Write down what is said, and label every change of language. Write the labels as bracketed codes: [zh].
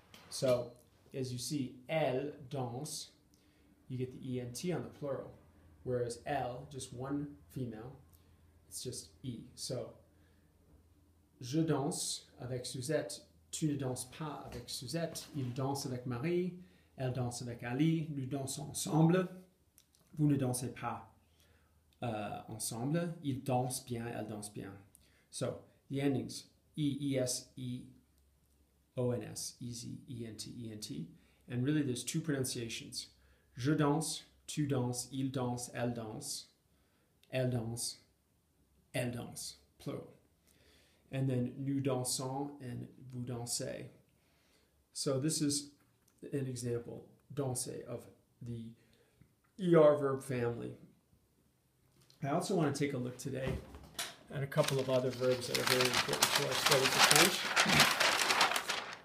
[en] So, as you see, [fr] elle danse, [en] you get the ENT on the plural, whereas elle, just one female, it's just E. [fr] So, je danse avec Suzette, tu ne danses pas avec Suzette, il danse avec Marie, elle danse avec Ali, nous dansons ensemble, vous ne dansez pas ensemble, il danse bien, elle danse bien. [en] So, the endings, E, E, S, E, ONS, easy, ENT, ENT. And really, there's two pronunciations. [fr] Je danse, tu danse, il danse, elle danse, elle danse, elle danse, plural. [en] And then [fr] nous dansons and vous dansez. [en] So this is an example, danser, of the ER verb family. I also want to take a look today at a couple of other verbs that are very important to our study of French.